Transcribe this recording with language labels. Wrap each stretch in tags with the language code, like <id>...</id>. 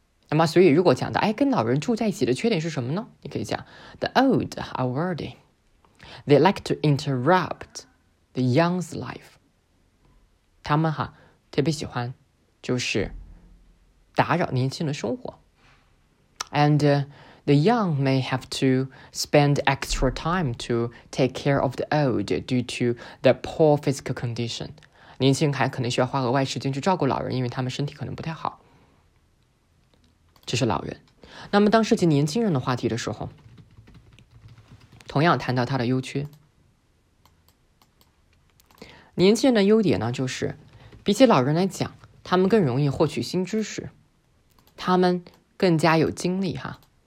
<zh>那么所以如果讲到哎，跟老人住在一起的缺点是什么呢，你可以讲</zh> <en>The old are wordy， They like to interrupt The Young's Life，</en> <zh>他们哈特别喜欢就是打扰年轻的生活。</zh> <en>AndThe young may have to spend extra time to take care of the old due to the poor physical condition.</en> <zh>年轻人还可能需要花额外时间去照顾老人，因为他们身体可能不太好。这是老人。那么当涉及年轻人的话题的时候，同样谈到他的优缺。年轻人的优点呢，就是比起老人来讲，他们更容易获取新知识，他们更加有精力哈。</zh>